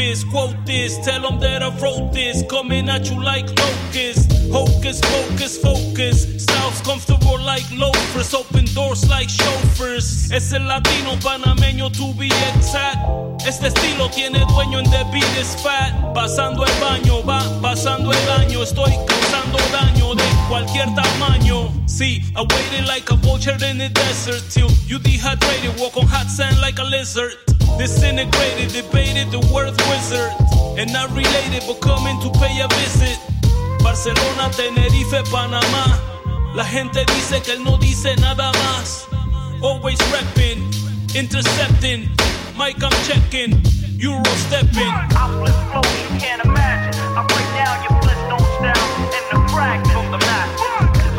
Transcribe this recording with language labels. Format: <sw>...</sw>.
<en>Quote this, tell them that I wrote this. Coming at you like locusts. Hocus, focus, focus. Styles comfortable like loafers. Open doors like chauffeurs.</en> <es>Es el Latino Panameño</es> <en>to be exact.</en> <es>Este estilo tiene dueño en</es> <en>the beat is fat.</en> <es>Pasando el baño, va pasando el año. Estoy causando daño de cualquier tamaño.</es> <en>See, I waited like a vulture in the desert. Till you dehydrated, walk on hot sand like a lizard. Disintegrated, debated, the word wizard. And not related, but coming to pay a visit. Barcelona, Tenerife, Panama.</en> <es>La gente dice que él no dice nada más.</es> <en>Always repping, intercepting. Mic I'm checking, Euro stepping. I flip flow, you can't imagine. I break down your blistone style in the fragment.</en>